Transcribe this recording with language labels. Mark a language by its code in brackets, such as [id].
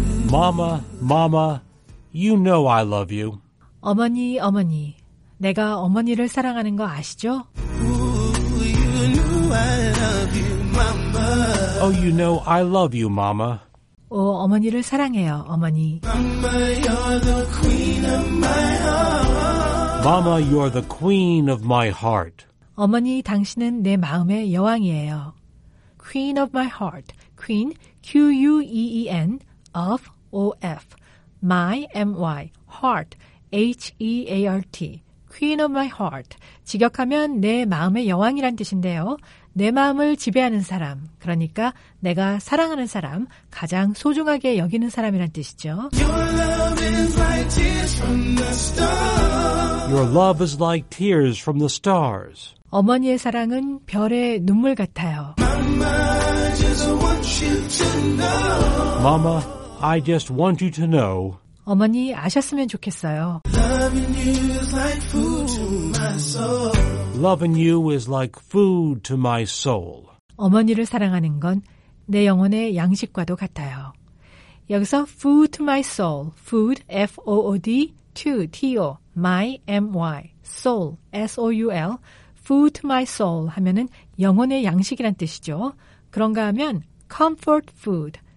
[en] Mama, Mama, you know I love you. [ko] 어머니, 어머니, 내가 어머니를 사랑하는 거 아시죠? [en] Ooh, you knew I love you, Mama. Oh, you know I love you, Mama. [ko] 오, 어머니를 사랑해요, 어머니. [en] Mama, you're the queen of my heart. Mama, you're the queen of my heart. [ko] 어머니, 당신은 내 마음의 여왕이에요. [en] Queen of my heart, queen, Q-U-E-E-N, of O-F, my, M-Y, heart, H-E-A-R-T, queen of my heart. [ko] 직역하면 내 마음의 여왕이란 뜻인데요. 내 마음을 지배하는 사람, 그러니까 내가 사랑하는 사람, 가장 소중하게 여기는 사람이란 뜻이죠. [en] Your love is like tears from the stars. Your love is like tears from the stars. [ko] 어머니의 사랑은 별의 눈물 같아요. [en] Mama, I just want you to know. Mama, I just want you to know. [ko] 어머니 아셨으면 좋겠어요. [en] Loving you is like food to my soul. Loving you is like food to my soul. [ko] 어머니를 사랑하는 건 내 영혼의 양식과도 같아요. 여기서 [en] food to my soul, food F-O-O-D to T-O, my M-Y, soul S-O-U-L, food to my soul [ko] 하면은 영혼의 양식이란 뜻이죠. 그런가 하면 comfort food.